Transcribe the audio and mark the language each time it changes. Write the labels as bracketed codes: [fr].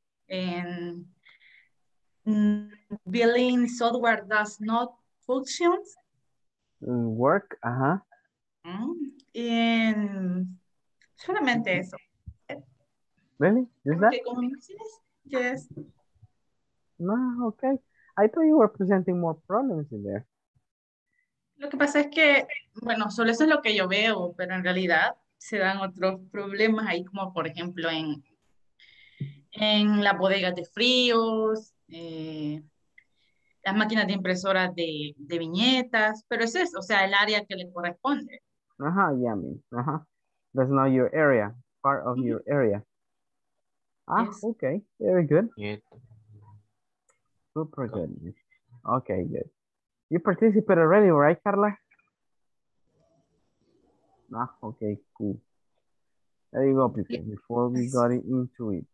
[en] And billing software does not function. Work, ajá. [es] And solamente eso. [en] Really? Is that? Yes. No, okay. I thought you were presenting more problems in there. [es] Lo que pasa es que, bueno, solo eso es lo que yo veo, pero en realidad se dan otros problemas ahí, como por ejemplo en las bodegas de fríos, las máquinas de impresoras de viñetas, pero es eso, o sea, el área que le corresponde. Ajá, uh-huh, yeah, I mean, ajá. Uh-huh. [en] That's not your area, part of your area. Ah, yes. Okay, very good. Yes. Super good. Okay, good. You participated already, right, Carla? Ah, okay, cool. There you go, people, yes. Before we got into it.